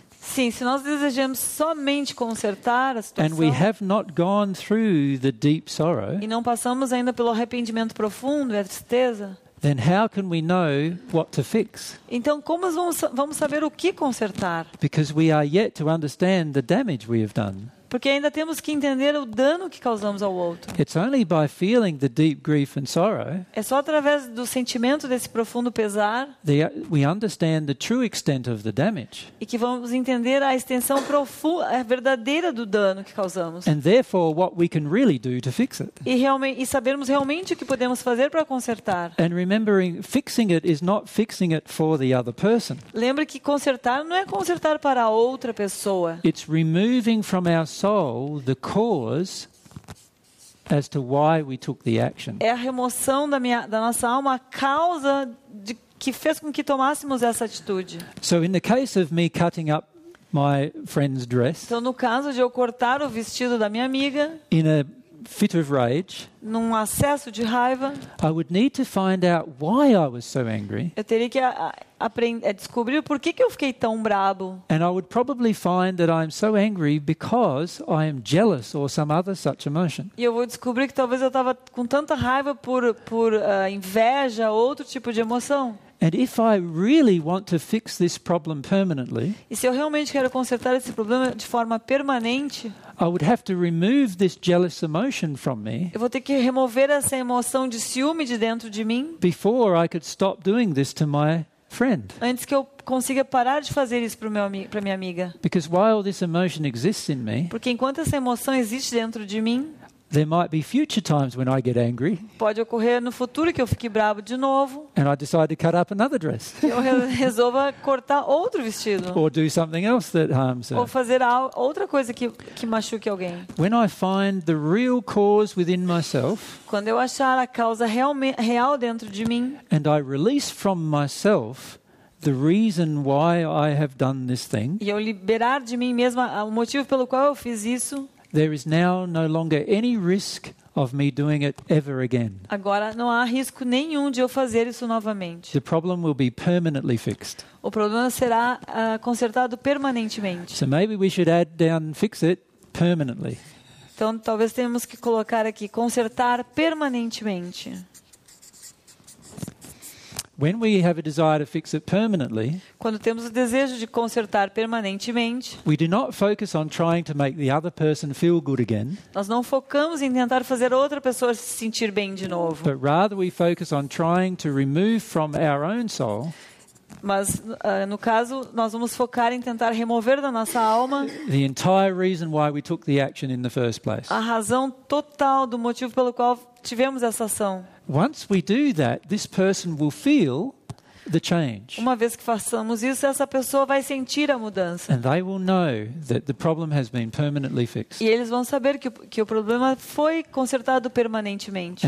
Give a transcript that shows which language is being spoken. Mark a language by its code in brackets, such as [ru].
[pt] Sim, se nós desejamos somente consertar a situação. [en] And we have not gone through the deep sorrow. [pt] E não passamos ainda pelo arrependimento profundo e a tristeza. [en] Then how can we know what to fix? [pt] Então como vamos saber o que consertar? [en] Because we are yet to understand the damage we have done. [pt] Porque ainda temos que entender o dano que causamos ao outro. [en] It's only by feeling the deep grief and sorrow. [pt] É só através do sentimento desse profundo pesar. [en] We understand the true extent of the damage. [pt] E que vamos entender a extensão profunda, a verdadeira do dano que causamos. [en] And therefore what we can really do to fix it. [pt] E sabermos realmente o que podemos fazer para consertar. [en] And remembering fixing it is not fixing it for the other person. [pt] Lembre que consertar não é consertar para a outra pessoa. [en] It's removing from our soul the cause as to why we took the action. [pt] É a remoção da nossa alma a causa de que fez com que tomássemos essa atitude. [en] So in the case of me cutting up my friend's dress. [pt] Então no caso de eu cortar o vestido da minha amiga. [en] In a fit of rage. [pt] Num acesso de raiva. [en] I would need to find out why I was so angry. [pt] Eu teria que descobrir por que eu fiquei tão brabo. [en] And I would probably find that I'm so angry because I am jealous or some other such emotion. [pt] E eu vou descobrir que talvez eu estava com tanta raiva por inveja, outro tipo de emoção. [en] And if I really want to fix this problem permanently, [pt] e se eu realmente quero consertar esse problema de forma permanente, [en] I would have to remove this jealous emotion from me. [pt] Eu vou ter que remover essa emoção de ciúme de dentro de mim. [en] Before I could stop doing this to my friend. [pt] Antes que eu consiga parar de fazer isso para minha amiga. [en] Because while this emotion exists in me, [pt] porque enquanto essa emoção existe dentro de mim, [en] there might be future times when I get angry. [pt] Pode ocorrer no futuro que eu fique bravo de novo. [en] And I decide to cut up another dress. [pt] Eu resolva cortar outro vestido. [en] Or do something else that harms her. [pt] Ou fazer outra coisa que machuque alguém. [en] When I find the real cause within myself. [pt] Quando eu achar a causa real dentro de mim. [en] And I release from myself the reason why I have done this thing. [pt] E eu liberar de mim mesma o motivo pelo qual eu fiz isso. [en] There is now no longer any risk of me doing it ever again. [pt] Agora não há risco nenhum de eu fazer isso novamente. [en] The problem will be permanently fixed. [pt] O problema será consertado permanentemente. [en] So maybe we should add down fix it permanently. [pt] Então talvez tenhamos que colocar aqui consertar permanentemente. [en] When we have a desire to fix it permanently, [pt] quando temos o desejo de consertar permanentemente, [en] we do not focus on trying to make the other person feel good again. [pt] Nós não focamos em tentar fazer outra pessoa se sentir bem de novo. [en] But rather we focus on trying to remove from our own soul. [pt] Mas no caso nós vamos focar em tentar remover da nossa alma [en] the entire reason why we took the action in the first place. [pt] A razão total do motivo pelo qual tivemos essa ação. [en] Once we do that, this person will feel the change. [pt] Uma vez que façamos isso, essa pessoa vai sentir a mudança. [en] And they will know that the problem has been permanently fixed. [pt] E eles vão saber que o problema foi consertado permanentemente.